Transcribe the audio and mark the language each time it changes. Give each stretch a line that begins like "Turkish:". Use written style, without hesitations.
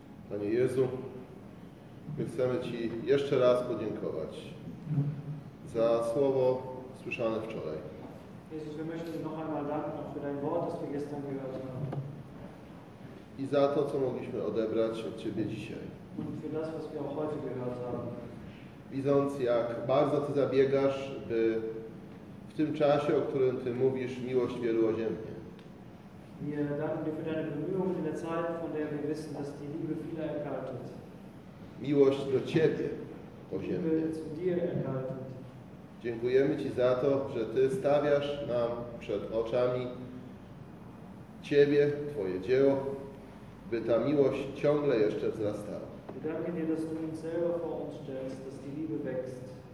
Polish: Panie Jezu, my chcemy Ci jeszcze raz podziękować za słowo słyszane wczoraj.
German: Jezus, wir möchten noch einmal danken für dein Wort, das wir gestern gehört haben.
Polish: I za to, co mogliśmy odebrać od Ciebie dzisiaj.
German: Für das, was wir auch heute gehört haben.
Polish: Widząc, jak bardzo Ty zabiegasz, by w tym czasie, o którym Ty mówisz, miłość wielu oziębnie.
German: Wir danken dir für deine Bemühungen in der Zeit, von der wir wissen, dass die Liebe viele erkaltet.
Polish: Miłość do Ciebie oziębnie.
German: Liebe zu dir erkaltet.
Polish: Dziękujemy Ci za to, że Ty stawiasz nam przed oczami Ciebie, Twoje dzieło, by ta miłość ciągle jeszcze wzrastała.
German: Danke dir, dass du ihn selber vor uns stellst, dass die Liebe wächst.